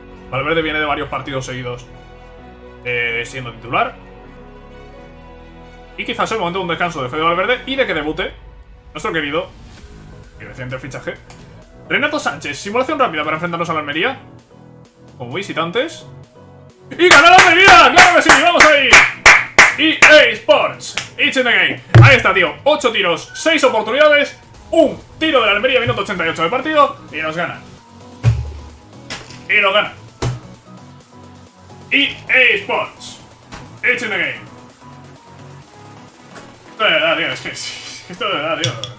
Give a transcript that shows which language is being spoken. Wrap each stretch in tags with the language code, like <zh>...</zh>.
<es>Valverde viene de varios partidos seguidos siendo titular. Y quizás el momento de un descanso de Fede Valverde y de que debute nuestro querido y reciente fichaje Renato Sánchez. Simulación rápida para enfrentarnos a la Almería como visitantes. ¡Y ganó la Almería! ¡Claro que sí! ¡Vamos ahí!</es> <en>EA Sports, it's in the game.</en> <es>Ahí está, tío, 8 tiros, 6 oportunidades. Un tiro de la Almería, minuto 88 de partido. Y nos gana. Y nos gana</es> <en>EA Sports, it's in the game.</en> <es>Esto de verdad, tío, es que esto de verdad, tío.</es>